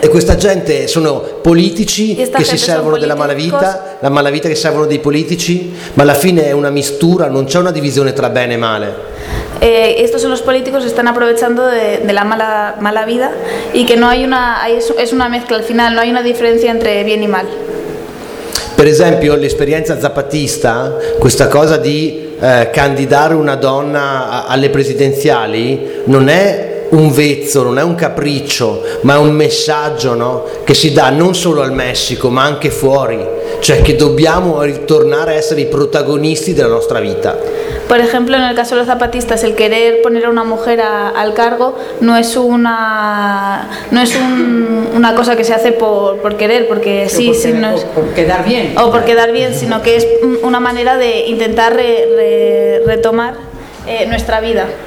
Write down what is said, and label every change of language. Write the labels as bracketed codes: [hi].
[it] E questa gente sono politici che si servono della malavita, la malavita che servono dei politici, ma alla fine è una mistura, non c'è una divisione tra bene e male. [es] Estos son los políticos que están aprovechando de la mala vida y que no hay una, es una mezcla al final, no hay una diferencia entre bien y mal. [it] Per esempio l'esperienza zapatista, questa cosa di candidare una donna alle presidenziali, non è un vezzo, non è un capriccio, ma è un messaggio, no? Che si dà non solo al Messico ma anche fuori, cioè che dobbiamo ritornare a essere i protagonisti della nostra vita. [es] Por ejemplo, en el caso de los zapatistas, el querer poner a una mujer al cargo no es una cosa que se hace por querer, porque sí, sino por quedar bien. O por quedar bien, sino que es una manera de intentar retomar nuestra vida.